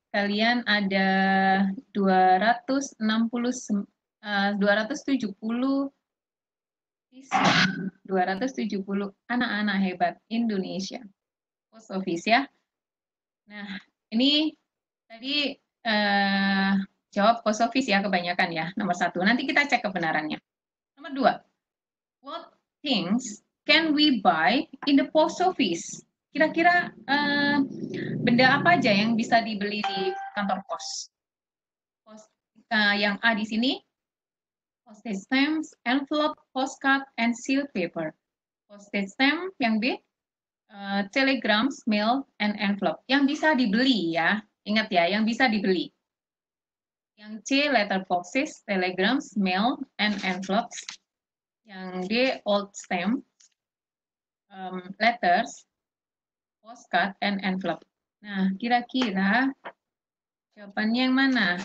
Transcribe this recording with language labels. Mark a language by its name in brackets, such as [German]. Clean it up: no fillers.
[Indonesian] Kalian ada 270 anak-anak hebat Indonesia. Post office ya. Nah, ini tadi jawab post office ya kebanyakan ya, nomor satu. Nanti kita cek kebenarannya. [English] Nomor dua, what things can we buy in the post office? [Indonesian] Kira-kira benda apa aja yang bisa dibeli di kantor pos? [English] Yang A di sini, postage stamps, envelope, postcard, and sealed paper. Postage stamp, yang B, telegrams, mail, and envelope. [Indonesian] Yang bisa dibeli ya, ingat ya, yang bisa dibeli. [English] Yang C, letterboxes, telegrams, mail, and envelopes. Yang D, old stamp, letters, postcard, and envelope. [Indonesian] Nah, kira-kira jawabannya yang mana?